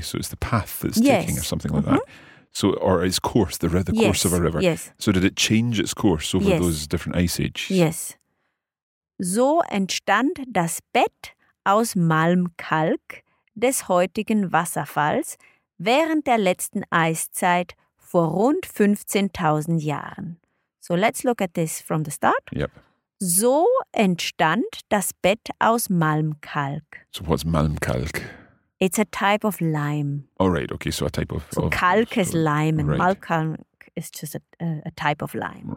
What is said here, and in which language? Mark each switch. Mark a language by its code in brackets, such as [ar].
[en] So it's the path that's taking or something like that. So, or its course, the course of a river. Yes. So did it change its course over those different ice ages? Yes. [de] So entstand das Bett aus Malmkalk des heutigen Wasserfalls während der letzten Eiszeit vor rund 15.000 Jahren. [en] So let's look at this from the start. Yep. [de] So entstand das Bett aus Malmkalk. [en] So what's Malmkalk? It's a type of lime. Oh, right. Okay, so a type of... So kalk is lime and Malmkalk is just a type of lime.